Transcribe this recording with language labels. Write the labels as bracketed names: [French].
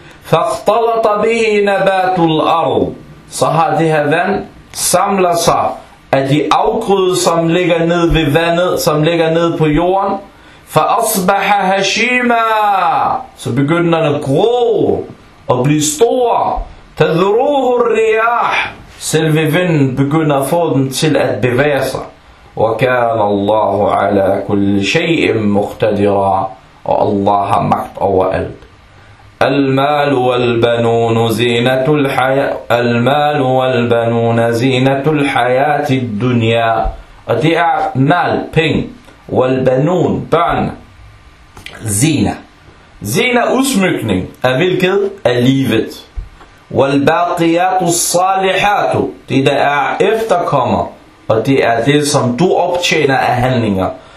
[Arabic] فَاخْتَلَطَ بِهِ نَبَاتُ الْأَرْضِ. [Danish] Så har det her vand samlet sig af de afgrøde, som ligger ned ved vandet, som ligger ned på jorden. [Arabic] فأصبح هشيما. [Danish] Så begynder den at gro og blive stor. [Arabic] تذروه الرياح. [Danish] Selve vinden begynder at få den til at bevæge sig. [Arabic] وكان الله على كل شيء مقتدرا. [Danish] Og Allah har magt over alt. [Arabic] المال والبنون زينة الحياة. المال والبنون زينة الحياة الدنيا. [Danish] Og det er mal, penge. [Arabic] والبنون [Danish] børn, zina udsmykning af hvilket er livet. [Arabic] والباقيات الصالحات, [Danish] det der er efterkommer, og det er det som du optjener af handlinger.